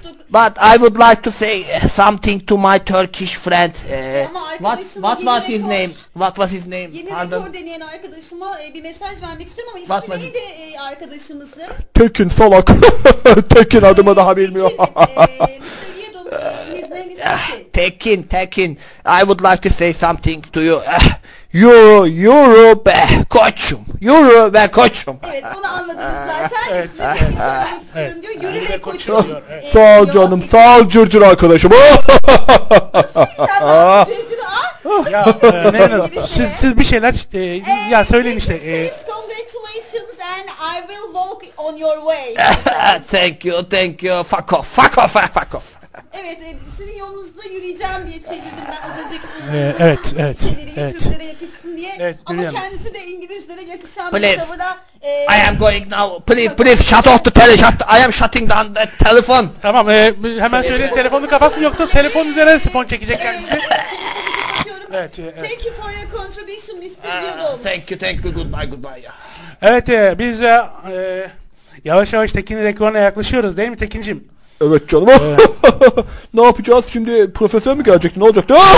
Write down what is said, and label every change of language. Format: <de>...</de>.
<en>But I would like to say something to my Turkish friend. What was his name?</en> <tr>Yeni rekor deneyen arkadaşıma bir mesaj vermek istiyorum ama ismi neydi arkadaşımızın? Tekin Solak. Tekin adımı daha bilmiyor. Tekin.</tr> <en>I would like to say something to you.</en> <tr>Yuru be koçum. Yuru be koçum. Evet onu anladınız zaten. İsmini değiştirmek istiyorum diyor. Yuru be koçum. Sağ ol canım. Sağ ol cırcır arkadaşım. Nasıl bir tane cırcır? Siz bir şeyler ya söyleyin işte.</tr> <en>Congratulations and I will walk on your way. Thank you. Fuck off.</en> <tr>Evet, sizin yolunuzda yürüyeceğim diye çevirdim ben az önceki evet, evet, Türklere yakışsın diye. Evet, ama kendisi de İngilizlere yakışan please. Bir tavırda...</tr> <en>I am going now, please shut off the telephone, I am shutting down the telephone.</en> <tr>Tamam, hemen söyleyin telefonu kapatsın yoksa telefon üzerine spon çekecek kendisi.</tr> <en>Evet. Thank you for your contribution, Mr. Yudum. Thank you, goodbye. Yeah.</en> <tr>Evet, biz yavaş yavaş Tekin'in rekoruna yaklaşıyoruz değil mi Tekin'cim? Evet canım. Ne yapacağız şimdi? Profesör mü gelecekti? Ne olacaktı?</tr>